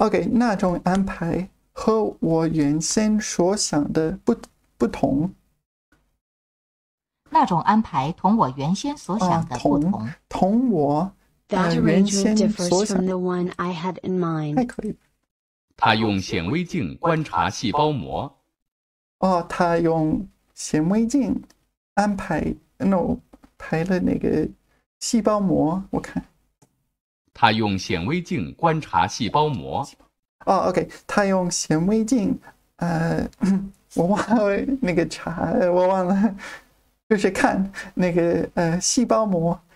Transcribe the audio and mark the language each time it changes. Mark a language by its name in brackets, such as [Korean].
[Chinese] 那种安排和我原先所想的 不同。那种安排同我原先所想的不同。同我原先所想的不同。 [English] differs from the one I had in mind. [Chinese] 他用显微镜观察细胞膜。他用显微镜安排 No. 排了那个细胞膜，我看。他用显微镜观察细胞膜。哦 ，OK， 他用显微镜，我忘了那个查，我忘了，就是看那个细胞膜。